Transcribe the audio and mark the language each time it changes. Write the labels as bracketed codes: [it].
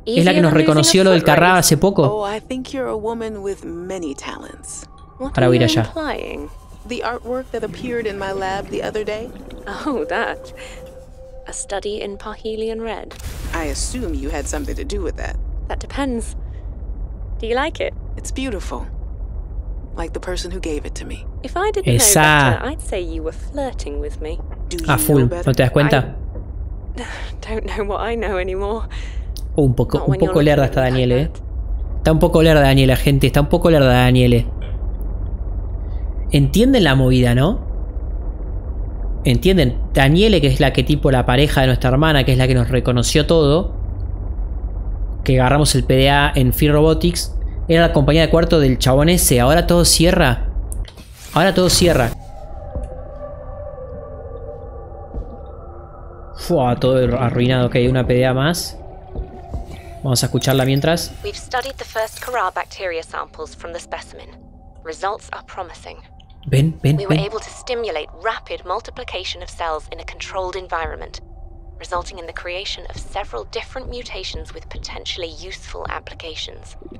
[es] Es la que nos reconoció lo del carrá hace poco. [en] Oh, I think you're a woman with many talents. [es] Para huir allá. [en] The artwork that appeared in my lab the other day. Oh, that. A study in Parhelion red. I assume you had something to do with that. That depends. Do you like it? It's beautiful. Like the person who gave it to me. If I didn't know better, I'd say you were flirting with me. [es] A full, ¿no te das cuenta? [en] Don't know what I know anymore. [es] Un poco lerda está Daniele. Está un poco lerda Daniele, gente. Está un poco lerda Daniele. Entienden la movida, ¿no? Entienden. Daniele, que es la que tipo la pareja de nuestra hermana, que es la que nos reconoció todo, que agarramos el PDA en Fear Robotics, era la compañía de cuarto del chabón ese. Ahora todo cierra. Ahora todo cierra. Fua, todo arruinado. Ok, una PDA más. Vamos a escucharla mientras. [en] We've studied the first carrá bacteria samples from the specimen. Results are promising. [es] Ven, ven, [en] ven. We were able to stimulate rapid multiplication of cells in a controlled environment, resulting in the creation of several different mutations with potentially useful applications.